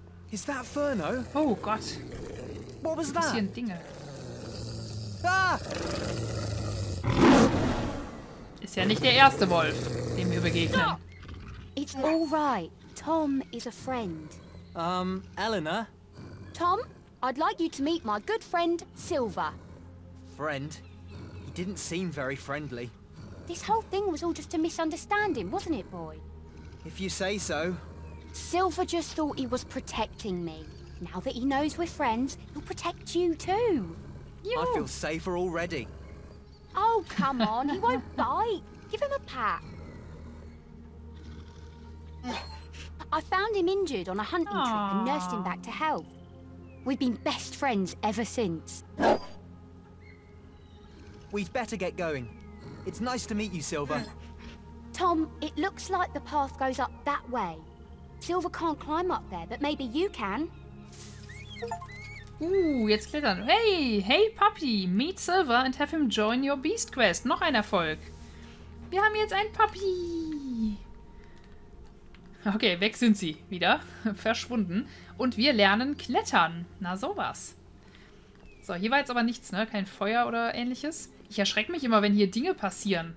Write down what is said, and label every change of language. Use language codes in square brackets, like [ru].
[en] Is that Furno? [de] Oh Gott. [en] What was that? [de] Passieren Dinge. Ah! Ist ja nicht der erste Wolf, dem wir begegnen. [en] It's all right. Tom is a friend. Eleanor? Tom, I'd like you to meet my good friend, Silver. Friend? He didn't seem very friendly. This whole thing was all just a misunderstanding, wasn't it, boy? If you say so. Silver just thought he was protecting me. Now that he knows we're friends, he'll protect you too. I feel safer already. Oh, come on. He won't bite. Give him a pat. I found him injured on a hunting trip and nursed him back to health. We've been best friends ever since. We'd better get going. It's nice to meet you, Silver. Tom, it looks like the path goes up that way. Silver can't climb up there, but maybe you can. [de] Jetzt klettern. [en] Hey, hey Puppy, meet Silver and have him join your beast quest. [de] Noch ein Erfolg. Wir haben jetzt einen Puppy. Okay, weg sind sie wieder. Verschwunden. Und wir lernen klettern. Na sowas. So, hier war jetzt aber nichts, ne? Kein Feuer oder ähnliches. Ich erschrecke mich immer, wenn hier Dinge passieren.